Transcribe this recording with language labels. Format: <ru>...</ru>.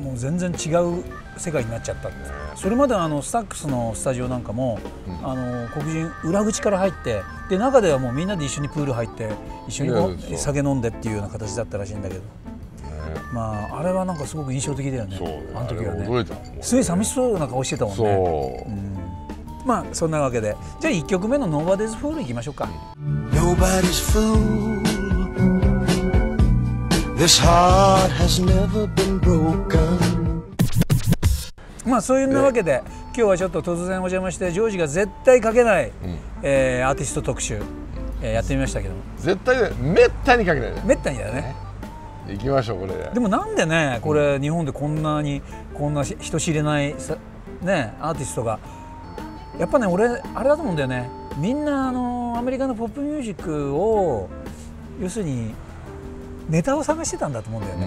<ja>もう全然違う世界になっちゃったって、ね、それまではあのスタックスのスタジオなんかも、うん、あの黒人裏口から入って、で中ではもうみんなで一緒にプール入って一緒に酒飲んでっていうような形だったらしいんだけど、ね、まあ、あれはなんかすごく印象的だよ ね、そうね、あの時は ね、驚いたもんね、すごい寂しそうな顔してたもんね。そう、うん、まあそんなわけで、じゃあ1曲目の Nobody's Fool いきましょうか。</ja> <en>Nobody's FoolThis heart has never been broken。</en> <ja>まあそういうわけで今日はちょっと突然お邪魔してジョージが絶対書けない、うん、アーティスト特集、やってみましたけど、絶対でめったに書けない、めったにだね、行きましょうこれで。でもなんでね、これ日本でこんなに、こんな人知れない、ね、アーティストが、やっぱね俺あれだと思うんだよね、みんなあのアメリカのポップミュージックを要するにネタを探してたんだと思うんだよね、</ja>